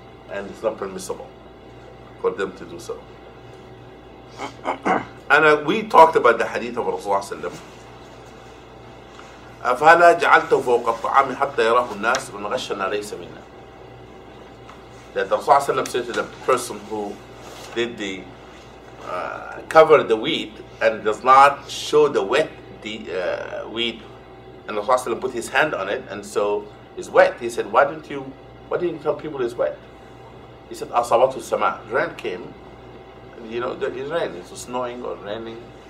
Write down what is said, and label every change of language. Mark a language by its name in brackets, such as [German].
[English] And it's not permissible for them to do so. And we talked about the hadith of Rasulullah sallam. [Arabic] أفلا جعلته فوق الطعام حتى يراه الناس من غشنا ليس منا. [English] That the Rasulullah sallam said to the person who did the cover the wheat and does not show the wet wheat, and the Rasulullah put his hand on it and so it's wet. He said, why didn't you tell people it's wet? He said, asawatu sama, rain came, and you know, it rained, it was snowing or raining.